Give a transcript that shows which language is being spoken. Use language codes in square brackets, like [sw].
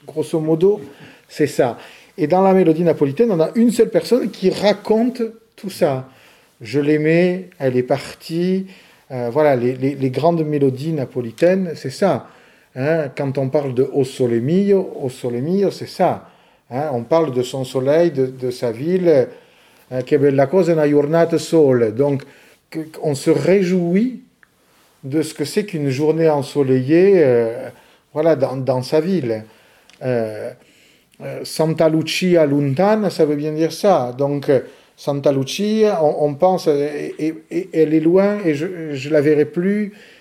[fr] Grosso modo, c'est ça. Et dans la mélodie napolitaine, on a une seule personne qui raconte tout ça. Je l'aimais, elle est partie. Voilà, les grandes mélodies napolitaines, c'est ça. Quand on parle de O Sole Mio, c'est ça. On parle de son soleil, de sa ville. [it] Che bella cosa una giornata sole. [fr] Donc, on se réjouit de ce que c'est qu'une journée ensoleillée voilà, dans sa ville. Santa Lucia lontana, ça veut bien dire ça. Donc, Santa Lucia, on pense, elle est loin et je la verrai plus.